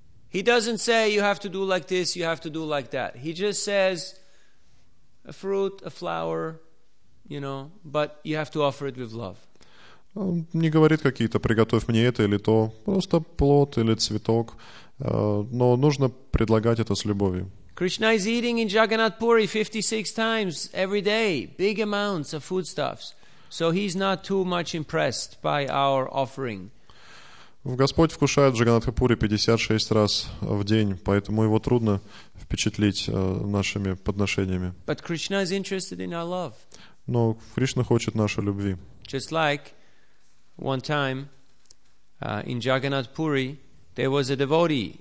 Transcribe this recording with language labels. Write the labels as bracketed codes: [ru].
[en] He doesn't say you have to do like this, you have to do like that. He just says a fruit, a flower, you know, but you have to offer it with love. [ru] Он не говорит какие-то, приготовь мне это или то, просто плод или цветок, Но нужно предлагать это с любовью. [en] Krishna is eating in Jagannath Puri 56 times every day, big amounts of foodstuffs. So he's not too much impressed by our offering. [ru] Господь вкушает в Джаганатхапуре 56 раз в день, поэтому его трудно впечатлить нашими подношениями. [en] But Krishna is interested in our love. [ru] Но Кришна хочет нашей любви. [en] Just like one time in Jagannath Puri, there was a devotee.